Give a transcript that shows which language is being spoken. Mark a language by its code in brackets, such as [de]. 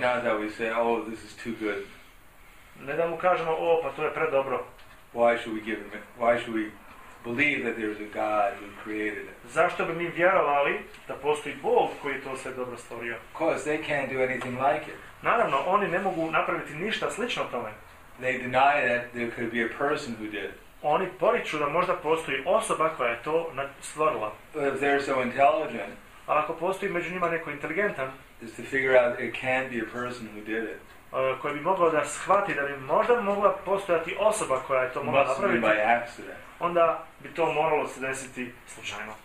[en] Not that we say, oh, this is too good. [bs] Ne da mu kažemo, o, pa to je predobro. [en] Why should we give him it? Why should we believe that there is a God who created it? [bs] Zašto bi mi vjerovali da postoji Bog koji je to sve dobro stvorio? [en] Because they can't do anything like it. [bs] Naravno, oni ne mogu napraviti ništa slično tome. [en] They deny that there could be a person who did. [bs] Oni poriču da možda postoji osoba koja je to stvorila. [en] But if they're so intelligent, [bs] ali ako postoji među njima neko inteligentan, [en] is to figure out it can be a person who did it. [bs] Koji bi mogao da shvati da bi možda mogla postojati osoba koja je to mogla napraviti, onda bi to moralo se desiti slučajno.